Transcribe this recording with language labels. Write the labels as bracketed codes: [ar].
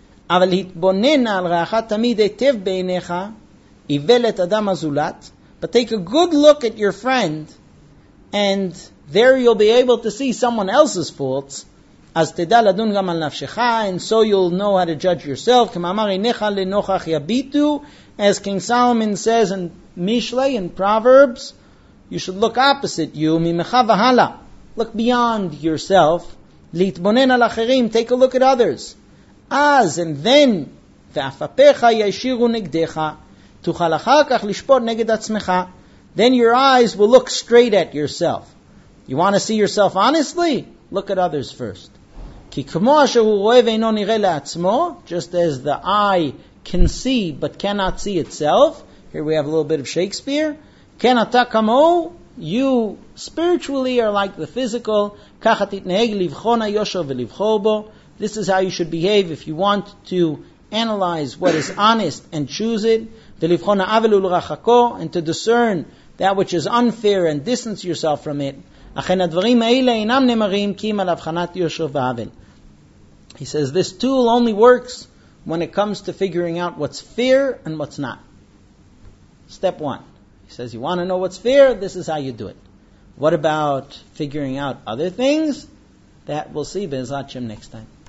[he] אבל התבונן על רעך תמיד היטב בעיניך, איוולת אדם הזולת, [en] but take a good look at your friend, and there you'll be able to see someone else's faults, [he] אז תדע לדון גם על נפשך, [en] and so you'll know how to judge yourself, [he] כמאמר עיניך לנוכח יביטו, [en] as King Solomon says in Mishlei, in Proverbs, you should look opposite you, [he] ממך והלאה, [en] look beyond yourself, [he] להתבונן על אחרים, [en] take a look at others. [he] אז [en] and then [he] ואפפיך ישירו נגדך, תוכל אחר כך לשפוט נגד עצמך. [en] Then your eyes will look straight at yourself. You want to see yourself honestly? Look at others first. [he] כי כמו אשר הוא רואה ואינו נראה לעצמו, [en] just as the eye can see but cannot see itself, here we have a little bit of Shakespeare, [he] כן אתה כמו, [en] you spiritually are like the physical, [he] ככה תתנהג לבחון היושר ולבחור בו. [en] This is how you should behave if you want to analyze what is honest and choose it, [he] ולבחון העוול ולרחקו, [en] and to discern that which is unfair and distance yourself from it. [he] אכן הדברים האלה אינם נמרים כי אם על הבחנת יושר ועוול. [en] He says this tool only works when it comes to figuring out what's fair and what's not. Step one. He says you want to know what's fair, this is how you do it. What about figuring out other things? That we'll see, Be'ezrat Hashem, next time.